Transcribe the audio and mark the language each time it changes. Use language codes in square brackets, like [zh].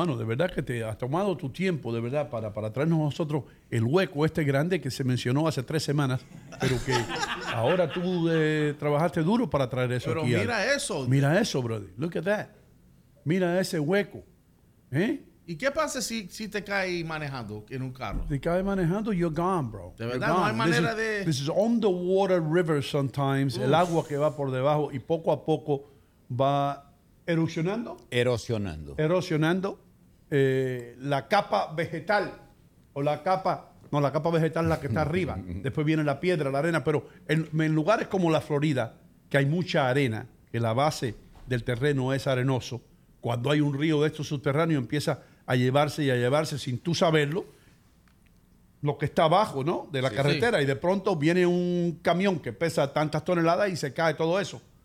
[es] Mano, de verdad que te has tomado tu tiempo, de verdad, para traernos nosotros el hueco este grande que se mencionó hace 3 semanas, pero que ahora tú trabajaste duro para traer eso pero aquí. Pero mira eso. Mira eso, brother. [en] Look at that. [es] Mira ese hueco. ¿Eh? ¿Y qué pasa si te caes manejando en un carro? Te caes manejando, [en] you're gone, bro. [es] De verdad, no hay manera [en] This is on the water river sometimes. Uf. [es] El agua que va por debajo y poco a poco va... Erosionando la capa vegetal o la capa, no, la capa vegetal es la que está arriba, después viene la piedra, la arena, pero en lugares como la Florida, que hay mucha arena, que la base del terreno es arenoso, cuando hay un río de estos subterráneos empieza a llevarse y a llevarse sin tú saberlo, lo que está abajo, ¿no?, de la carretera, y de pronto viene un camión que pesa tantas toneladas y se cae todo eso.